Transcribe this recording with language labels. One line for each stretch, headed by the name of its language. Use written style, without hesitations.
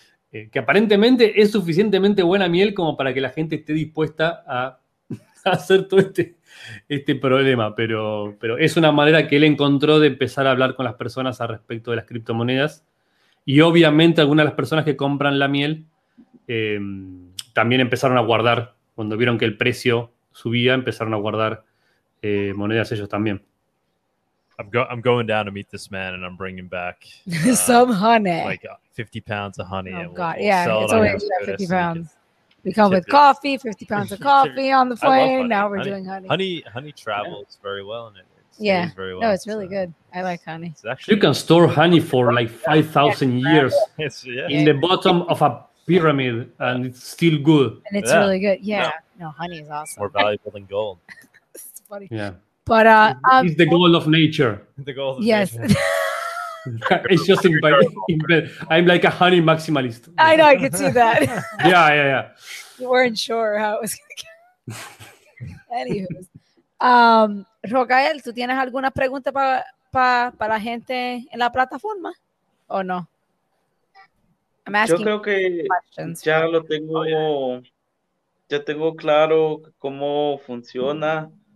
Spanish: Que aparentemente es suficientemente buena miel como para que la gente esté dispuesta a hacer todo este problema, pero es una manera que él encontró de empezar a hablar con las personas al respecto de las criptomonedas. Y obviamente algunas de las personas que compran la miel también empezaron a guardar, cuando vieron que el precio subía, empezaron a guardar monedas ellos también.
English: I'm going down to meet this man and I'm bringing back some honey. Like 50 pounds of honey. Oh, God. Yeah, it's only 50 pounds. We come with coffee, 50 pounds of coffee on the plane. Now we're doing honey. Honey travels very well and it stays very well. No, it's really good. I like honey. You can store honey for like 5,000 years in the bottom of a pyramid and it's still good. And it's really good. Yeah. No, honey is awesome. More valuable than gold. It's funny. Yeah. But it's the goal of nature. The goal of nature. It's just I'm like a honey maximalist. I know, I could see that. Yeah. You weren't sure how it was going to go. Anywho.
Spanish: Rogael, ¿tú tienes alguna pregunta para la gente en la plataforma o no?
English: I'm asking
Spanish: yo creo que
English: questions.
Spanish: Ya lo tengo, ya tengo claro cómo funciona.